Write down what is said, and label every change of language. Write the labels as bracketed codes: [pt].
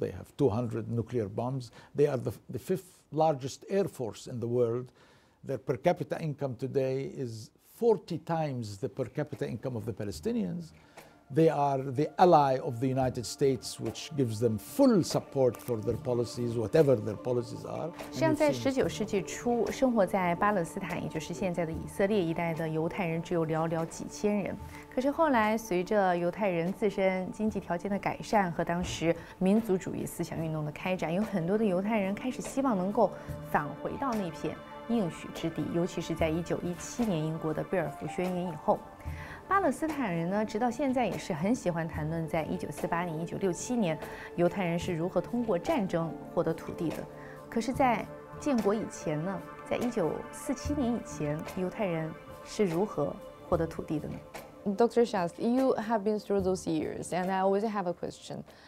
[en] They have 200 nuclear bombs. They are the fifth largest air force in the world. Their per capita income today is 40 times the per capita income of the Palestinians. They are the ally of the United States, which gives them full support for their policies, whatever their policies are. [zh] 像在19世纪初，生活在巴勒斯坦，也就是现在的以色列一带的犹太人只有寥寥几千人。可是后来，随着犹太人自身经济条件的改善和当时民族主义思想运动的开展，有很多的犹太人开始希望能够返回到那片应许之地，尤其是在1917年英国的贝尔福宣言以后。巴勒斯坦人呢，直到现在也是很喜欢谈论在1948年、1967年，犹太人是如何通过战争获得土地的。可是，在建国以前呢，在1947年以前，犹太人是如何获得土地的呢 [en] ？Dr. Shaath, you have been through those years, and I always have a question.